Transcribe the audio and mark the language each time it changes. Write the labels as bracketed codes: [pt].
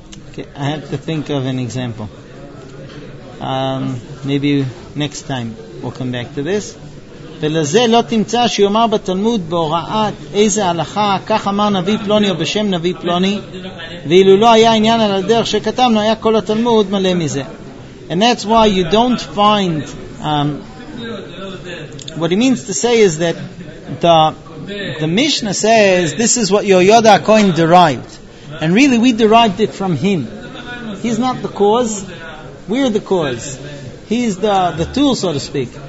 [en] Okay, I have to think of an example. Maybe next time we'll come back to this. [he] ולזה לא תמצא שיאמר בתלמוד בהוראת איזה הלכה כך אמר נביא פלוני או בשם נביא פלוני ואילו לא היה עניין על הדרך שכתבנו היה כל התלמוד מלא מזה. [en] And that's why you don't find what he means to say is that the Mishnah says this is what Yoyada HaKohen derived, and really we derived it from him. He's not the cause, we're the cause. He's the tool, so to speak.